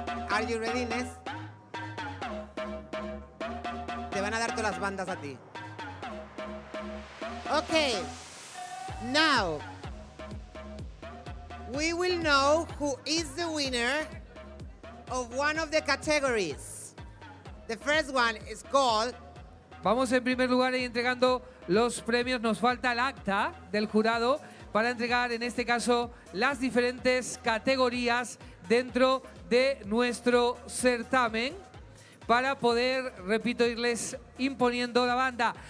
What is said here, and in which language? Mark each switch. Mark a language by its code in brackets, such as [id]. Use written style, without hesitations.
[en] Are you ready, Inés? [es] Te van a dar todas las bandas a ti. [en] Okay. Now we will know who is the winner of one of the categories. The first one is called... [es] Vamos en primer lugar y entregando los premios. Nos falta el acta del jurado para entregar, en este caso, las diferentes categorías dentro de nuestro certamen para poder, repito, irles imponiendo la banda.